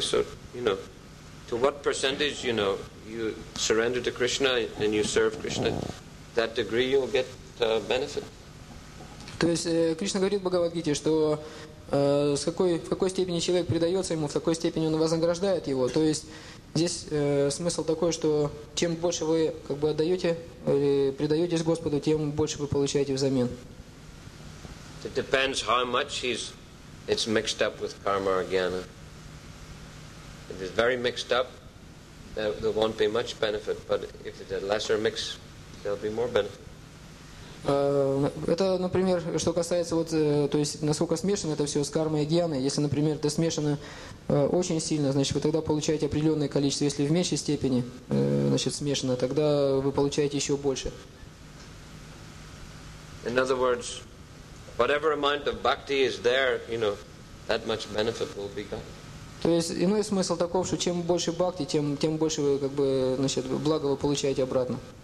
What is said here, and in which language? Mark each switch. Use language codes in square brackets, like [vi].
[en] So, you know, to what percentage, you know, you surrender to Krishna and you serve Krishna, that degree you'll get benefit. [ru] То есть Кришна говорит в Бхагавад-гите, что в какой степени человек предается ему, в такой степени он вознаграждает его. То есть здесь смысл такой, что чем больше вы как бы отдаете или предаетесь Господу, тем больше вы получаете взамен. [en] It depends how much it's mixed up with karma or jnana. If it's very mixed up, there won't be much benefit. But if it's a lesser mix, there'll be more benefit. [ru] Это, например, что касается вот, то есть, насколько смешано это все с кармой и гьяной. Если, например, это смешано очень сильно, значит, вы тогда получаете определенное количество. Если в меньшей степени, значит, смешано, тогда вы получаете еще больше. [en] In other words, whatever amount of bhakti is there, you know, that much benefit will be gone. [ru] То есть, иной смысл таков, что чем больше бхакти, тем больше вы, как бы, значит, благо вы получаете обратно.